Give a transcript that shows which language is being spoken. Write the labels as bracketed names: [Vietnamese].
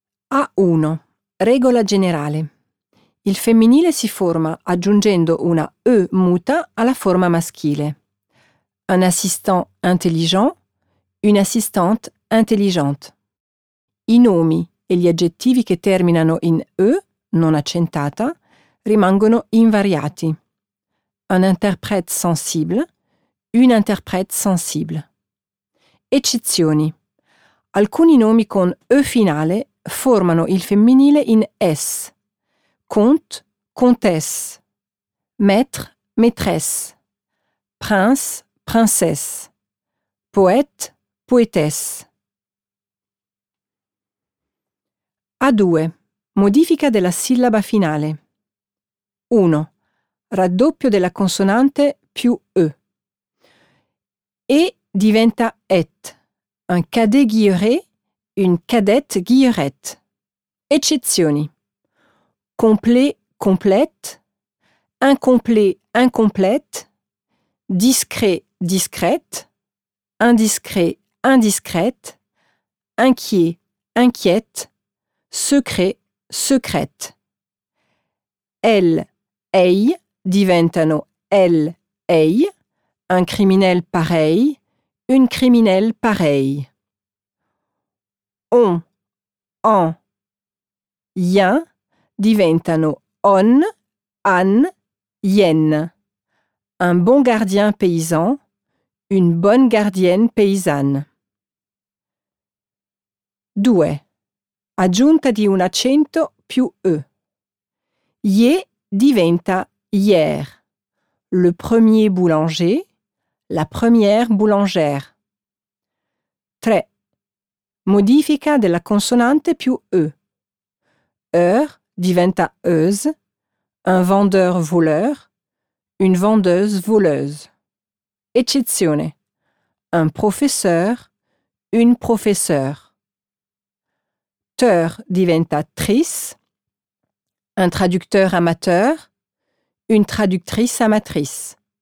[Italian] A1. Regola generale. Il femminile si forma aggiungendo una e muta alla forma maschile. [French] Un assistant intelligent, une assistante intelligente. [Italian] I nomi e gli aggettivi che terminano in e, non accentata, rimangono invariati. [French] Un interprète sensible, une interprète sensible. [Italian] Eccezioni. Alcuni nomi con e finale formano il femminile in s. [French] Comte, comtesse. Maître, maîtresse. Prince, princesse. Poète, poétesse. [Italian] A2. Modifica della sillaba finale. 1. Raddoppio della consonante più e. E diventa et. [French] Un cadet guilleré, une cadette guillerette. Eccezioni. Complet, complète. Incomplet, incomplète. Discret, discrète. Indiscret, indiscrète. Inquiet, inquiète. Secret, secrète. Elle, ei, diventano elle, ei. Un criminel pareil, une criminelle pareille. On, en, yin. [Italian] Diventano on, an, yen. [French] Un bon gardien paysan, une bonne gardienne paysanne. [Italian] 2. Aggiunta di un accento più e. Ye diventa hier. [French] Le premier boulanger, la première boulangère. [Italian] 3. Modifica della consonante più e. [French] Heure diventa euse, un vendeur voleur, une vendeuse voleuse. Eccezione, un professeur, une professeure. Teur diventa tris, un traducteur amateur, une traductrice amatrice.